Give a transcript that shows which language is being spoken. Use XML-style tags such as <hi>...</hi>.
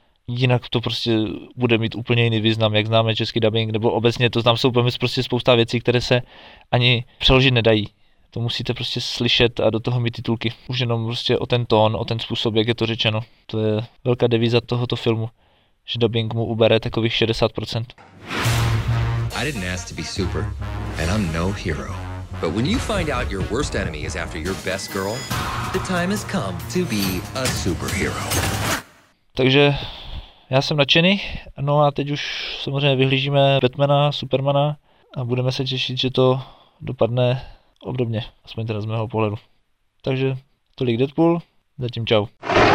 <cs>Jinak to prostě bude mít úplně jiný význam, jak známe český dubbing, nebo obecně to znám, jsou prostě spousta věcí, které se ani přeložit nedají. To musíte prostě slyšet a do toho mít titulky. Už jenom prostě o ten tón, o ten způsob, jak je to řečeno. To je velká devíza tohoto filmu, že dubbing mu ubere takových 60%.</cs> <en>I didn't ask to be super, and I'm no hero. But when you find out your worst enemy is after your best girl, the time has come to be a superhero.</en> <cs>Takže já jsem nadšený, no a teď už samozřejmě vyhlížíme Batmana, Supermana a budeme se těšit, že to dopadne obdobně, aspoň teda z mého pohledu. Takže tolik Deadpool, zatím čau.</cs>